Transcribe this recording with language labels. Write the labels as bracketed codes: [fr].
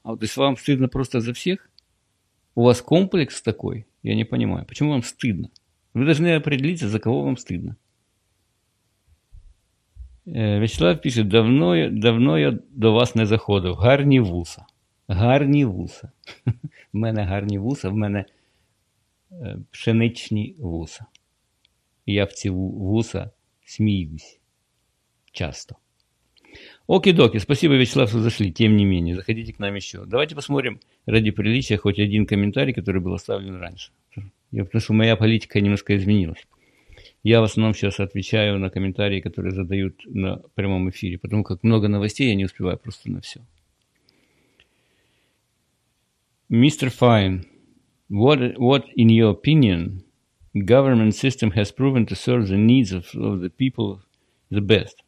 [ru] А вот если вам стыдно просто за всех, у вас комплекс такой, я не понимаю, почему вам стыдно? Вы должны определиться, за кого вам стыдно. [uk] Вячеслав [ru] пишет: [uk] давно я до вас не заходив. Гарні вуса. Гарні вуса. В мене гарні вуса, в мене пшеничні вуса. Я в ці вуса сміюсь часто. [ru] Окей-доки, спасибо, Вячеслав, что зашли. Тем не менее, заходите к нам еще. Давайте посмотрим ради приличия хоть один комментарий, который был оставлен раньше. Потому что моя политика немножко изменилась. Я в основном сейчас отвечаю на комментарии, которые задают на прямом эфире, потому как много новостей, я не успеваю просто на все. [en] Мистер Файн, what in your opinion government system has proven to serve the needs of the people the best?